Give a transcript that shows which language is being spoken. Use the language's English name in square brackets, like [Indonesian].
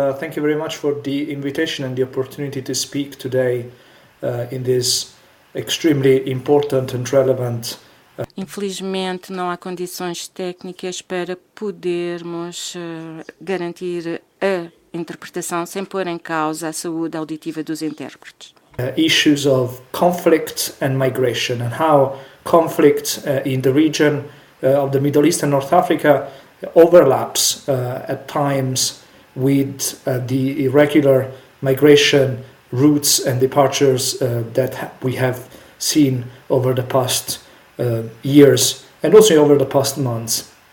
[English] Thank you very much for the invitation and the opportunity to speak today in this extremely important and relevant. [Portuguese] Infelizmente, não há condições técnicas para podermos garantir a interpretação sem pôr em causa a saúde auditiva dos intérpretes. [English] Issues of conflict and migration and how conflict in the region of the Middle East and North Africa overlaps at times with the irregular migration routes and departures that we have seen over the past years and also over the past months.